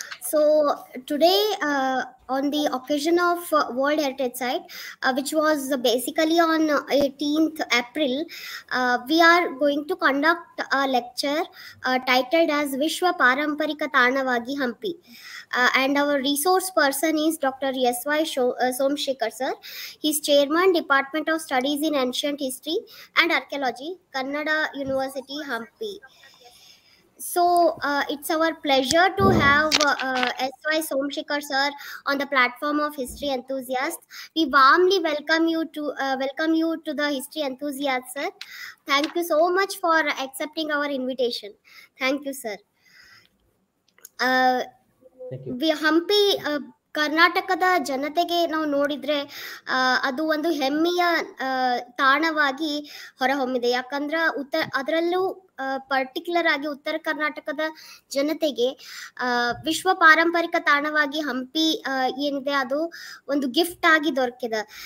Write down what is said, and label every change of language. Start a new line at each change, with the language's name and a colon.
English: so today on the occasion of world heritage site which was basically on 18th April, we are going to conduct a lecture titled as
Kannada: ವಿಶ್ವ ಪಾರಂಪರಿಕ ತಾಣವಾಗಿ Hampi.
English: And our resource person is Dr. S Y Somashekhar sir. He's chairman, Department of Studies in Ancient History and Archaeology, Kannada University, Hampi. So it's our pleasure to have S Y Somashekhar sir on the platform of History Enthusiasts. We warmly welcome you to the History Enthusiasts, sir. Thank you so much for accepting our invitation. Thank you, sir.
Kannada: Hampi ಕರ್ನಾಟಕದ ಜನತೆಗೆ ನಾವು ನೋಡಿದ್ರೆ ಅದು ಒಂದು ಹೆಮ್ಮೆಯ ತಾಣವಾಗಿ ಹೊರಹೊಮ್ಮಿದೆ. ಯಾಕಂದ್ರೆ ಅದರಲ್ಲೂ ಪರ್ಟಿಕ್ಯುಲರ್ ಆಗಿ ಉತ್ತರ ಕರ್ನಾಟಕದ ಜನತೆಗೆ ವಿಶ್ವ ಪಾರಂಪರಿಕ ತಾಣವಾಗಿ ಹಂಪಿ ಏನಿದೆ ಅದು ಒಂದು ಗಿಫ್ಟ್ ಆಗಿ ದೊರಕಿದೆ.